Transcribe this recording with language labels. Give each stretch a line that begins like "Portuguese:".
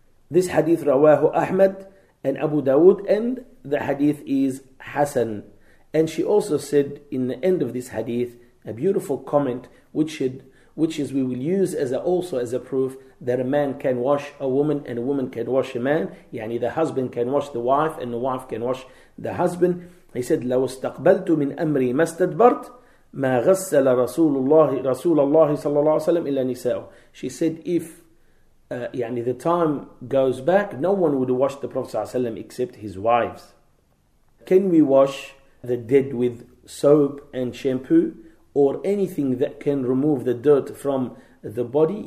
English: This hadith
Arabic: رواه أحمد
English: and Abu Dawood, and the hadith is Hassan. And she also said in the end of this hadith a beautiful comment, which is we will use as a proof that a man can wash a woman and a woman can wash a man. Yani the husband can wash the wife and the wife can wash the husband. He said,
Arabic: لو استقبلت من أمري ما استدبرت ما غسل رسول الله رسول الله صلى الله عليه وسلم إلا نساءه.
English: She said, if
Arabic: يعني
English: the time goes back, no one would wash the Prophet
Arabic: صلى الله عليه وسلم
English: except his wives. Can we wash the dead with soap and shampoo or anything that can remove the dirt from the body?